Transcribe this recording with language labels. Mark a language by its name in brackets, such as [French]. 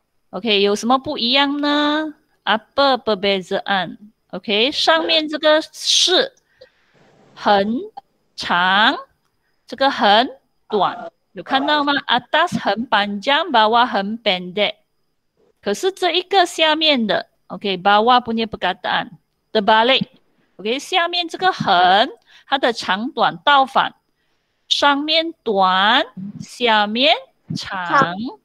[Chinese] Okay, 有什么不一样呢? [Malay] Apa perbezaan? [Chinese] Okay, 上面这个是 很长, 这个很短, 有看到吗? [Malay] Atas 很panjang, bawah 很pendek. [Chinese] 可是这一个下面的, [Malay] okay, bawah punya perkataan, terbalik. [Chinese] Okay, 下面这个很, 它的长短倒反, 上面短, 下面长.